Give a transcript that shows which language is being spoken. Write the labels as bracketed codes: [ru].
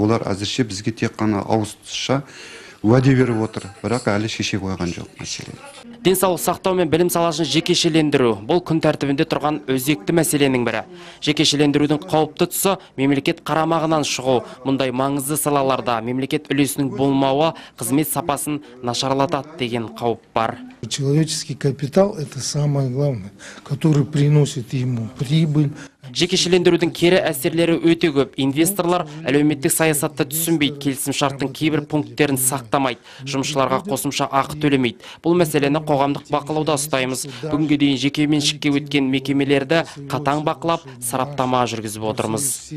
[kk] Олар әзірше бізге тек қана ауызша уәде беріп отыр, бірақ әлі шеше қойған жоқ мәселе. Денсаулық сақтау мен білім саласын жекешелендіру – бұл күн тәртібінде тұрған өзекті мәселенің бірі. Жекешелендірудің қауіпті тұсы мемлекет қарамағынан шығу. Мұндай маңызды салаларда мемлекет үлесінің болмауы қызмет сапасын нашарлатады деген қауіп бар. [ru] Человеческий капитал – это самое главное, который приносит ему прибыль. [kk] Жекешелендірудің кері әсерлері өте көп. Инвесторлар әлеуметтік саясатты түсінбейді, келісім шарттың кейбір пункттерін сақтамайды, жұмысшыларға қосымша ақы төлемейді. Бұл мәселені қоғамдық бақылауда ұстаймыз. Бүгінге дейін жекеменшікке өткен мекемелерді қатаң бақылап, сараптама жүргізіп отырмыз.